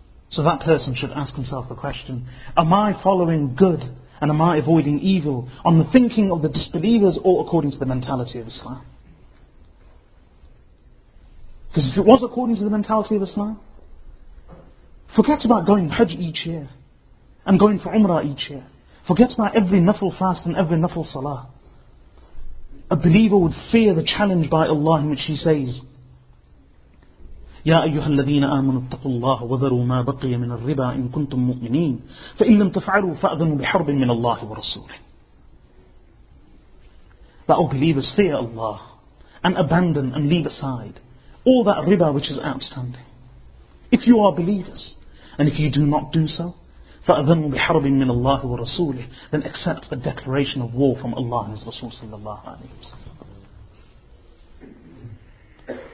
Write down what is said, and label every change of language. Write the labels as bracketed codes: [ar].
[en] So that person should ask himself the question, am I following good and am I avoiding evil on the thinking of the disbelievers or according to the mentality of Islam? Because if it was according to the mentality of Islam, forget about going Hajj each year and going for Umrah each year. Forget about every Nafl fast and every Nafl Salah. A believer would fear the challenge by Allah in which He says, [ar] يَا أَيُّهَا الَّذِينَ آمَنُوا اتَّقُوا اللَّهَ وَذَرُوا مَا بَقِيَ مِنَ الرِّبَىٰ إِن كُنْتُم مُؤْمِنِينَ فَإِن لَمْ تَفْعَلُوا فَأَذَنُوا بِحَرْبٍ مِّنَ اللَّهِ وَرَسُولِهِ. [en] But O believers, fear Allah and abandon and leave aside all that riba which is outstanding. If you are believers, and if you do not do so, [ar] فَأَذَنُوا بِحَرْبٍ مِّنَ اللَّهِ وَرَسُولِهِ, [en] then accept a declaration of war from Allah and His Rasul sallallahu alayhi wa sallam.